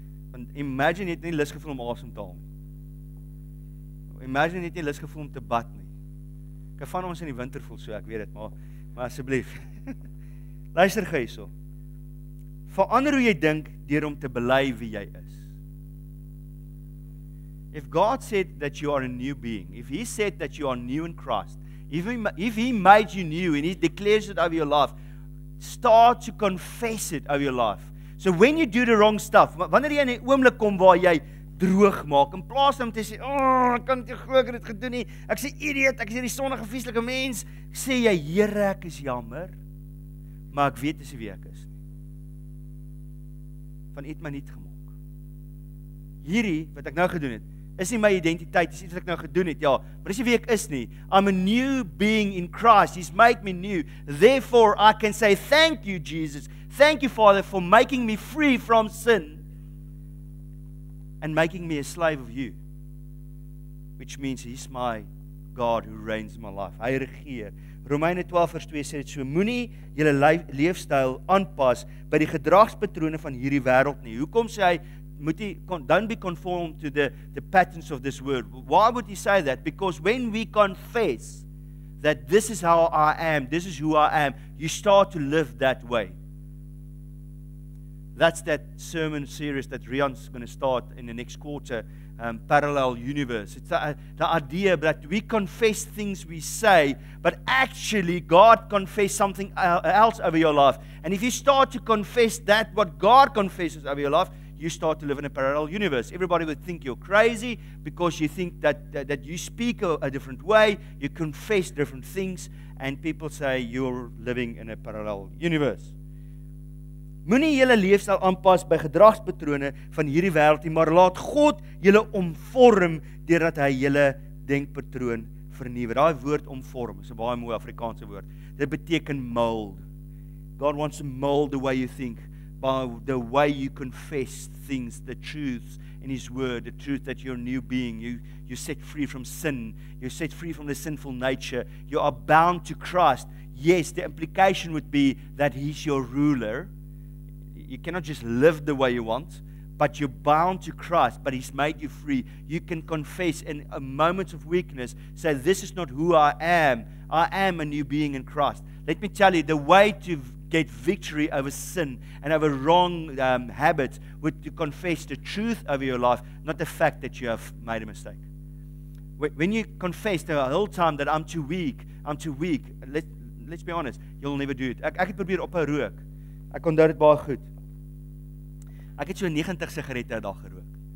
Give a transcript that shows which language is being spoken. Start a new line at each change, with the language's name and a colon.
Afrikaans: Want imagine jy het nie lus gevoel om asem te haal nie. Imagine het jy lus gevoel om te bad nie. Ek van ons in die winter voel so, ek weet dit, maar asseblief. Luister gou hierso. Verander hoe jy dink deur om te bely wie jy is.
English: If God said that you are a new being, if He said that you are new in Christ, if He made you new and He declares it over your life, start to confess it over your life. So when you do the wrong stuff,
Afrikaans: wanneer jy in 'n oomblik kom waar jy droog maak, in plaas om te sê, oh, ek kan nie glo ek het dit gedoen nie, ek sê, idiot, ek is hierdie sondige vieslike mens, sê jy, Here, ek is jammer, maar ek weet dis wie ek is. Van iets my niet gemaak. Hierdie, wat ek nou gedoen het, is nie my identiteit, is iets wat ek nou gedoen het, ja, maar dis wie ek is nie.
English: I'm a new being in Christ, He's made me new, therefore I can say, thank you, Jesus, thank you, Father, for making me free from sin, and making me a slave of you. Which means He's my God who reigns in my life.
Afrikaans: Hy regeer. Romeine 12 vers 2 sê dit so, moenie julle leefstyl aanpas by die gedragspatrone van hierdie wêreld nie. Hoekom sê hy, moet nie,
English: don't be conformed to the patterns of this world. Why would he say that? Because when we confess that this is how I am, this is who I am, you start to live that way. That's that sermon series that Rian's going to start in the next quarter, Parallel Universe. It's the idea that we confess things we say, but actually God confess something else over your life. And if you start to confess that, what God confesses over your life, you start to live in a parallel universe. Everybody would think you're crazy because you think that you speak a different way, you confess different things, and people say you're living in a parallel universe.
Afrikaans: Moenie julle leefstyl aanpas by gedragspatrone van hierdie wêreld nie, maar laat God julle omvorm deurdat hy julle denkpatroon vernuwe. Daai woord omvorm is 'n baie mooi Afrikaanse woord. Dit beteken mold.
English: God wants to mold the way you think, by the way you confess things, the truths in his word, the truth that you're a new being, you set free from sin, you set free from the sinful nature, you are bound to Christ. Yes, the implication would be that he's your ruler. You cannot just live the way you want, but you're bound to Christ, but he's made you free. You can confess in a moment of weakness, say, this is not who I am. I am a new being in Christ. Let me tell you, the way to get victory over sin and over wrong habits would to confess the truth over your life, not the fact that you have made a mistake. When you confess the whole time that I'm too weak, let's be honest, you'll never do it.
Afrikaans: Ek het probeer ophou rook. Ek onthou dit baie goed. Ek het so 90 sigarette 'n dag gerook.